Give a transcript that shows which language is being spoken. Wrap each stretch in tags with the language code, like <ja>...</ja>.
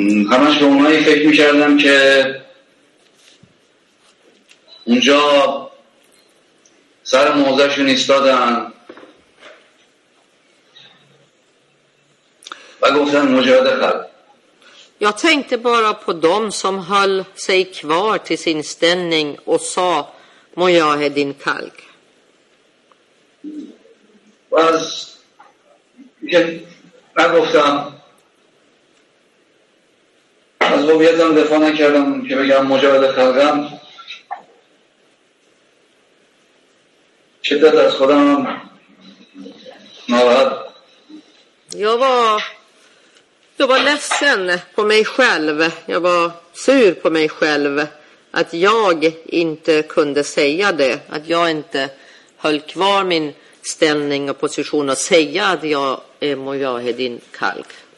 <fa>همش به اونایی فکر میکردم که اونجا سر موضعشون ایستادن و گفتن مجاهده خلق.</fa> <sv>Jag tänkte bara på dem som höll sig kvar till sin ställning och sa mojahedin kalk.</sv> <fa>باز یکی نگفتم از هویتم دفاع نکردم که بگم مجاهد خلقم شدت از خودم ناراحت</fa> <sv>jag var ledsen på mig själv, jag var sur på mig själv att jag inte kunde säga det, att jag inte höll kvar min ställning och position och säga att jag är mojahedin kalk.</sv>